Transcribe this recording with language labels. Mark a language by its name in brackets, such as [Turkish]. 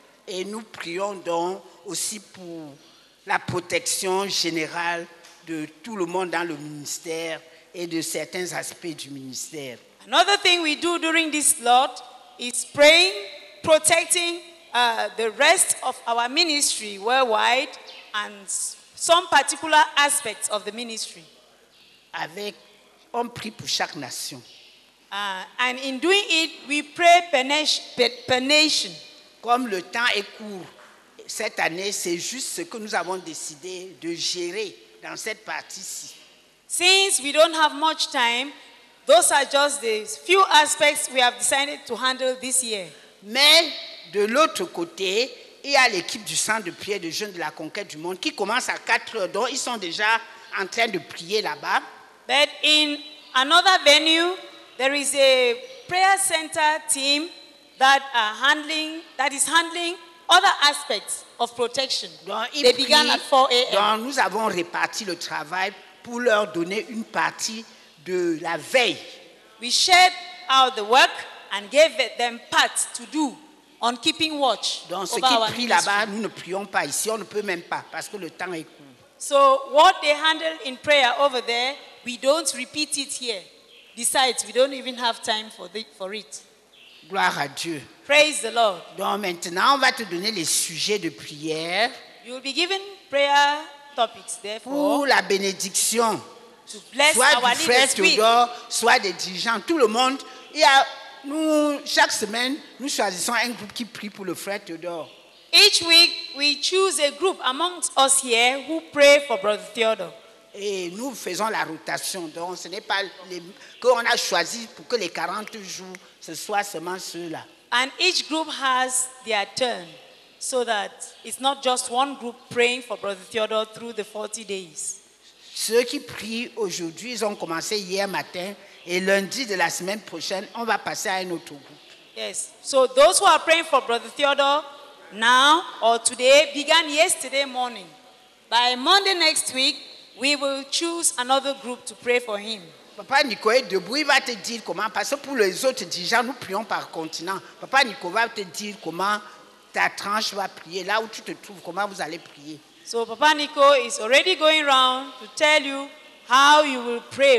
[French] Et nous prions donc aussi pour la protection générale de tout le monde dans le ministère et de certains aspects du ministère. [English] Another thing we do during this Lord is praying, protecting the rest of our ministry worldwide and some particular aspects of the ministry. [French] Avec, on prie pour chaque nation. [English] And in doing it, we pray per nation. [French] Comme le temps est court, cette année, c'est juste ce que nous avons décidé de gérer dans cette partie-ci. [English] Since we don't have much time, those are just the few aspects we have decided to handle this year. [French] Mais de l'autre côté, il y a l'équipe du centre de prière de jeunes de la conquête du monde qui commence à 4h, donc ils sont déjà en train de prier là-bas. [English] But in another venue, there is a prayer center team that is handling other aspects of protection. [French] Donc, [English] they began at 4 a.m. [French] Donc nous avons réparti le travail pour leur donner une partie de la veille. [English] We shared out the work and gave them parts to do on keeping watch. [French] Donc ce qu'ils prient là-bas, nous ne prions pas ici, on ne peut même pas parce que le temps est court. [English] So what they handle in prayer over there, we don't repeat it here. Besides, we don't even have time for it. [French] Gloire à Dieu. [English] Praise the Lord. [French] Donc maintenant, on va te donner les sujets de prière. [English] You will be given prayer topics, therefore. [French] Pour la bénédiction. [English] To bless [French] soit [English] our [French] du frère Théodore, soit des dirigeants, tout le monde. Il y a, nous, chaque semaine, nous choisissons un groupe qui prie pour le frère Théodore. [English] Each week, we choose a group amongst us here who pray for brother Theodore. [French] Et nous faisons la rotation. Donc ce n'est pas qu'on a choisi pour que les 40 jours, ce soit seulement ceux-là. [English] And each group has their turn, so that it's not just one group praying for Brother Theodore through the 40 days. [French] Ceux qui prient aujourd'hui, ils ont commencé hier matin, et lundi de la semaine prochaine, on va passer à un autre groupe. [English] Yes, so those who are praying for Brother Theodore now or today began yesterday morning. By Monday next week, we will choose another group to pray for him. [French] Papa Nico est debout, il va te dire comment, parce que pour les autres dirigeants, nous prions par continent. Papa Nico va te dire comment ta tranche va prier, là où tu te trouves, comment vous allez prier. [English] So Papa Nico is already going around to tell you how you will pray.